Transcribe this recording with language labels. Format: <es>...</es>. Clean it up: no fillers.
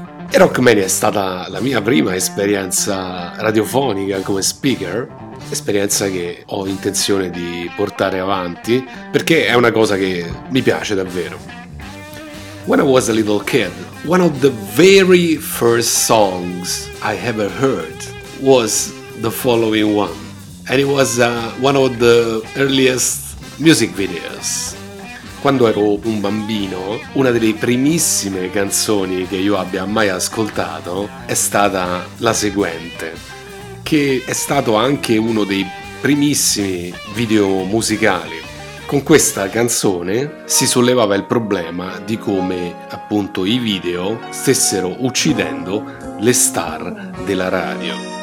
<it>E Rockmania è stata la mia prima esperienza radiofonica come speaker, esperienza che ho intenzione di portare avanti perché è una cosa che mi piace davvero.</it> <en>When I was a little kid, one of the very first songs I ever heard was the following one, and it was one of the earliest music videos.</en> <it>Quando ero un bambino, una delle primissime canzoni che io abbia mai ascoltato è stata la seguente, che è stato anche uno dei primissimi video musicali. Con questa canzone si sollevava il problema di come, appunto, i video stessero uccidendo le star della radio.</it>